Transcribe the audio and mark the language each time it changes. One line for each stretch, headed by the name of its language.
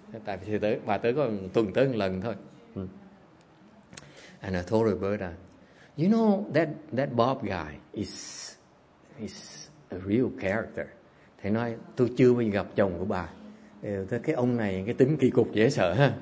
Vietnamese: Tại vì bà tới còn tuần tới một lần thôi.
English: And I told Roberta, you know that Bob guy is a real character.
Vietnamese: Thầy nói tôi chưa bao giờ gặp chồng của bà. Cái ông này cái tính kỳ cục dễ sợ ha.